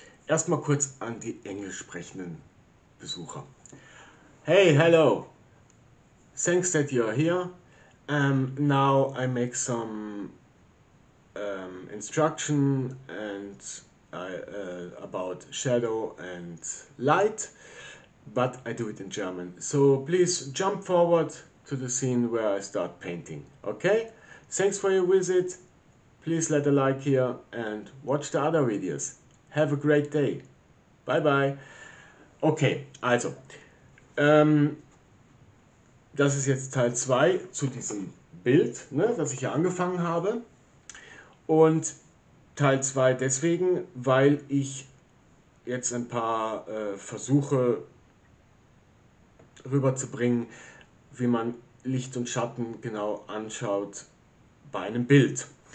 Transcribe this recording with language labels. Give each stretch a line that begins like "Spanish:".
German: Erstmal kurz an die englisch sprechenden Besucher.
English: Hey, hello. Thanks that you are here. Now I make some instruction and about shadow and light, but I do it in German. So please jump forward to the scene where I start painting. Okay? Thanks for your visit. Please let a like here and watch the other videos. Have a great day. Bye bye.
German: Okay, also, das ist jetzt Teil 2 zu diesem Bild, ne, das ich hier angefangen habe. Und Teil 2 deswegen, weil ich jetzt ein paar Versuche rüberzubringen, wie man Licht und Schatten genau anschaut bei einem Bild.